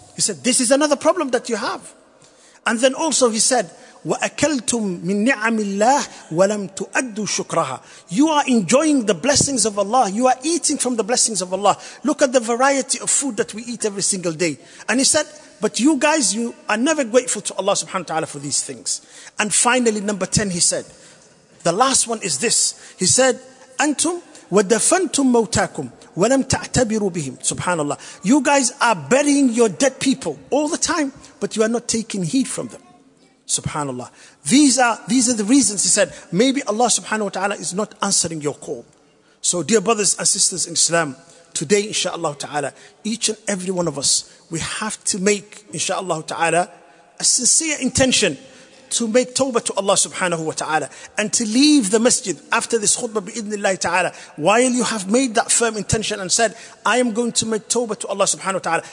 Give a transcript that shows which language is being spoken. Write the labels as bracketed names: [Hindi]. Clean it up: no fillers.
[English] He said, this is another problem that you have. And then also he said, [Arabic] وَأَكَلْتُمْ مِن نِعَمِ اللَّهِ وَلَمْ تُؤَدُّوا شُكْرَهَا [English] You are enjoying the blessings of Allah. You are eating from the blessings of Allah. Look at the variety of food that we eat every single day. And he said, but you guys, you are never grateful to Allah subhanahu wa ta'ala for these things. And finally, number 10, he said, the last one is this. He said, [Arabic] أَنْتُمْ وَدَفَنْتُمْ مَوْتَاكُمْ وَلَمْ تَعْتَبِرُوا بِهِمْ SubhanAllah. [English] You guys are burying your dead people all the time, but you are not taking heed from them. SubhanAllah. These are the reasons he said, maybe Allah subhanahu wa ta'ala is not answering your call. So dear brothers and sisters in Islam, today inshaAllah ta'ala, each and every one of us, we have to make inshaAllah ta'ala a sincere intention to make tawbah to Allah subhanahu wa ta'ala and to leave the masjid after this khutbah bi-idhnillahi ta'ala while you have made that firm intention and said, I am going to make tawbah to Allah subhanahu wa ta'ala.